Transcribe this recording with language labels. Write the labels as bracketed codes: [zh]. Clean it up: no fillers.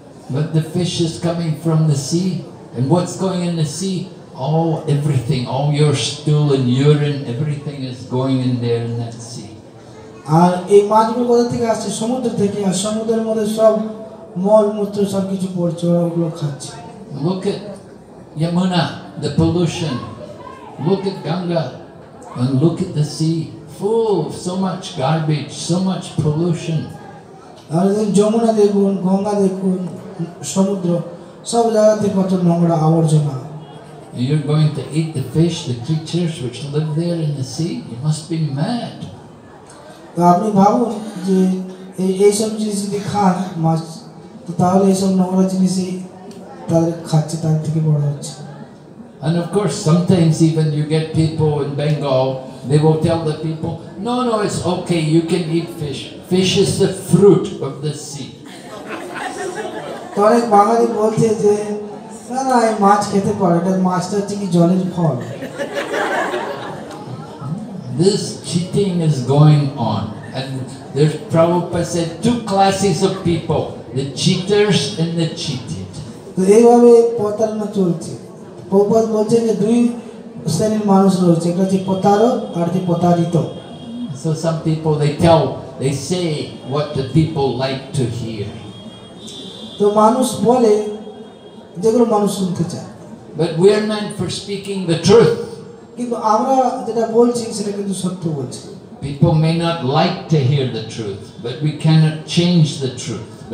[en] But the fish is coming from the sea. And what's going in the sea? All everything, all your stool and urine, everything is going in there in that sea. [bn] আর এই মাছগুলো কোথা থেকে আসছে সমুদ্র থেকে আর সমুদ্রের মধ্যে সব মলমূত্র সব কিছু পড়ছে ওগুলো খাচ্ছে [en] look at Yamuna the pollution look at Ganga and look at the sea full of so much garbage so much pollution [bn] আর যমুনা দেখুন গঙ্গা দেখুন সমুদ্র সব জায়গাতে কত নোংরা আবর্জনা [en] You're going to eat the fish, the creatures which live there in the sea? You must be mad. [bn] আপনি ভাবুন যে এই সব জিনিস যদি খান মাছ তো তাহলে এই সব নোংরা জিনিস তাদের খাচ্ছে তার থেকে বড় হচ্ছে [en] And of course, sometimes even you get people in Bengal, they will tell the people, no, no, it's okay, you can eat fish. Fish is the fruit of the sea. [bn] অনেক বাঙালি বলছে যে না না এই মাছ খেতে পারে এটা মাছটা হচ্ছে কি জলের ফল [en] This cheating is going on and there's Prabhupada said two classes of people the cheaters and the cheated [bn] তো এইভাবে প্রতারণা চলছে প্রভুপাদ বলছেন যে দুই শ্রেণীর মানুষ রয়েছে একটা হচ্ছে প্রতারক আর একটি প্রতারিত [en] So some people they tell they say what the people like to hear [bn] তো মানুষ বলে যেগুলো মানুষ শুনতে চায় [en] but we are meant for speaking the truth [bn] কিন্তু আমরা যেটা বলছি সেটা কিন্তু সত্য বলছি [en] people may not like to hear the truth but we cannot change the truth